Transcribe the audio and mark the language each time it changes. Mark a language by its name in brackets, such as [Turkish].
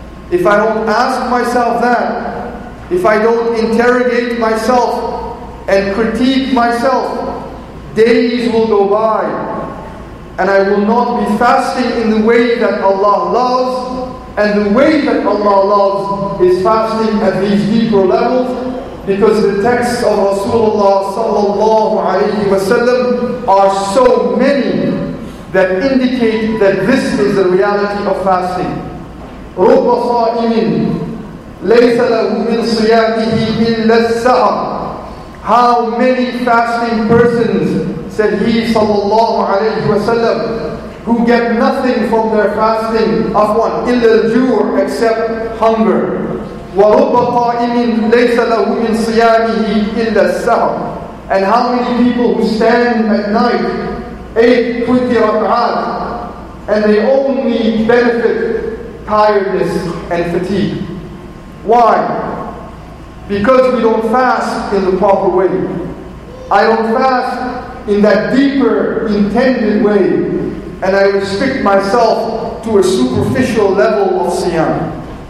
[English] If I don't ask myself that, if I don't interrogate myself and critique myself, days will go by and I will not be fasting in the way that Allah loves. And the way that Allah loves is fasting at these deeper levels, because the texts of Rasulullah sallallahu alayhi wa sallam are so many that indicate that this is the reality of fasting. [Arabic] رب صائم ليس له من صيامه إلا السهر. [English] How many fasting persons, said he sallallahu alayhi wa sallam, who get nothing from their fasting, [Arabic] إلا الجوع, [English] except hunger. [Arabic] ورب قائم ليس له من صيامه إلا السهر. [English] And how many people who stand at night, 8-20 rak'at, and they only benefit tiredness and fatigue. Why? Because we don't fast in the proper way. I don't fast in that deeper intended way, and I restrict myself to a superficial level of siyam.